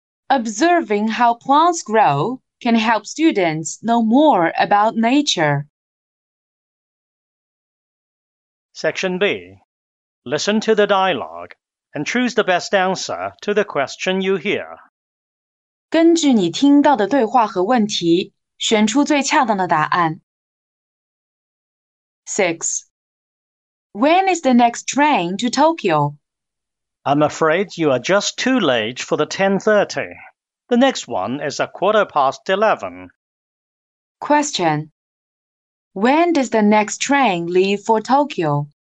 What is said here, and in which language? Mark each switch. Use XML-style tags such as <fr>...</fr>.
<en>Observing how plants grow can help students know more about nature. Section B. Listen to the dialogue. And choose the best answer to the question you hear.</en> <zh>根据你听到的对话和问题，选出最恰当的答案。</zh> <en>6. When is the next train to Tokyo? I'm afraid you are just too late for the 10:30. The next one is a 11:15. Question. When does the next train leave for Tokyo?</en>